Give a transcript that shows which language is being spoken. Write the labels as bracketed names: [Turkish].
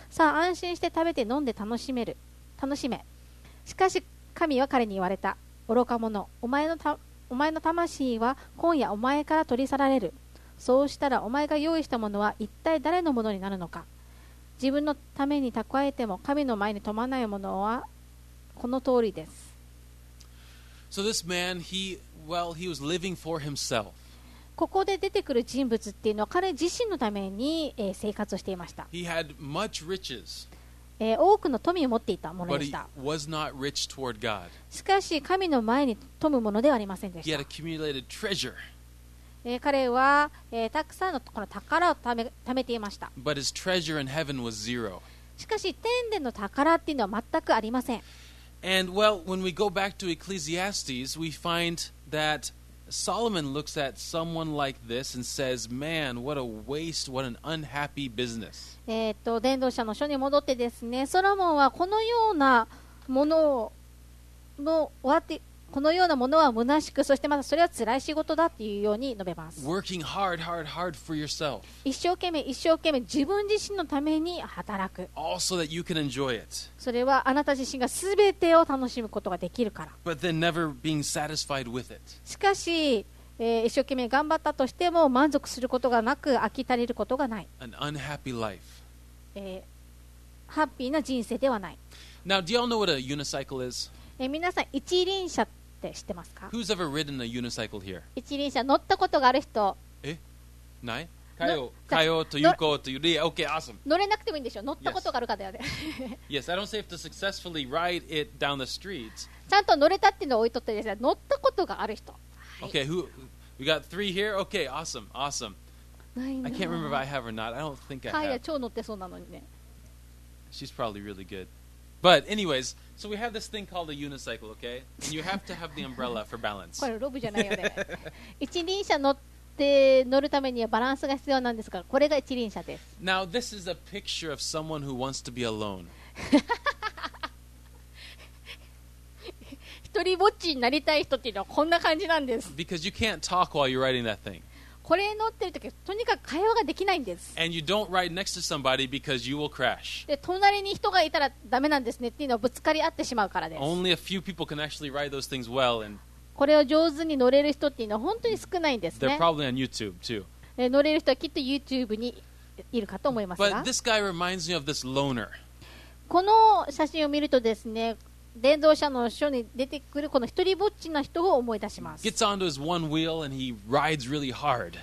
[Japanese] さあ安心して食べて飲んで楽しめ。しかし神は彼に言われた。愚か者、お前の魂は今夜お前から取り去られる。そうしたらお前が用意したものは一体誰のものになるのか。自分のために蓄えても神の前に富まないものはこの通りです。 [English] So this man, he was living for himself. [Japanese] ここで出てくる人物っていうのは彼自身のために生活をしていました。 [English] He had much riches. [Japanese] 多くの富を持っていたものでした。 [English] But he was not rich toward God. [Japanese] しかし神の前に富むものではありませんでした。 [English] He had accumulated treasure. [Japanese] 彼はたくさんのこの宝を貯めていました。 [English] But his treasure in heaven was zero. [Japanese] しかし天での宝っていうのは全くありません。 [English] And well, when we go back to Ecclesiastes, we find that Solomon looks at someone like this and says, "Man, what a waste! What an unhappy business!" [Japanese] 伝道者の書に戻ってですね、ソロモンはこのようなものの終わって、このようなものは虚しく、そしてまたそれは辛い仕事だというように述べます。 [English] Working hard, hard, hard for yourself. [Japanese] 一生懸命自分自身のために働く。 [English] All so that you can enjoy it. [Japanese] それはあなた自身がすべてを楽しむことができるから。 [English] But then never being satisfied with it. [Japanese] しかし、一生懸命頑張ったとしても満足することがなく飽き足りることがない。 [English] An unhappy life. [Japanese] ハッピーな人生ではない。 [English] Now, do you all know what a unicycle is? [Japanese] 皆さん一輪車って知ってますか？ [English] Who's ever ridden a unicycle here? [Japanese] 一輪車乗ったことがある人？え？ない？かよとゆこうとゆり、 [English] OK、awesome。 [Japanese] 乗れなくてもいいんでしょ？乗ったことがある方やで。 [English] Yes, I don't say if to successfully ride it down the streets。 [Japanese] ちゃんと乗れたっていうのを置いとってですね、乗ったことがある人。 [English] OK, we got three here? OK, awesome。 [Japanese] ないな。 [English] I can't remember if I have or not. I don't think I have。 [Japanese] かや超乗ってそうなのにね。 [English] She's probably really good. But anyways, so we have this thing called a unicycle, okay? And you have to have the umbrella for balance. [Japanese] これロブじゃないよね。一輪車乗るためにはバランスが必要なんですが、これが一輪車です。 [English] Now, this is a picture of someone who wants to be alone. [Japanese] 一人ぼっちになりたい人っていうのはこんな感じなんです。 [English] Because you can't talk while you're riding that thing. [Japanese] これ乗ってるとき、とにかく会話ができないんです。 [English] And you don't ride next to somebody because you will crash. [Japanese] で、隣に人がいたらダメなんですねっていうのはぶつかり合ってしまうからです。 [English] Only a few people can actually ride those things well and [Japanese] これを上手に乗れる人っていうのは本当に少ないんですね。 [English] They're probably on YouTube too. [Japanese] 乗れる人はきっと YouTube にいるかと思いますが。 [English] But this guy reminds me of this loner. [Japanese] この写真を見るとですね、伝道者の書に出てくるこの一人ぼっちな人を思い出します。 [English] Gets onto his one wheel and he rides really hard.